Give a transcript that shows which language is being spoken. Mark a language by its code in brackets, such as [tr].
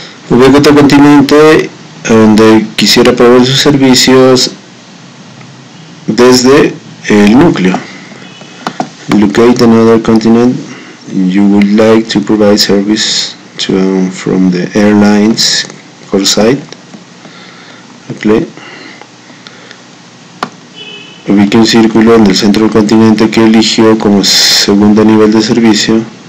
[es] Ubique otro continente donde quisiera probar sus servicios desde el núcleo. [en] Locate another continent you would like to provide service to from the airlines core site. Okay. [es] Ubique un círculo en el centro del continente que eligió como segundo nivel de servicio.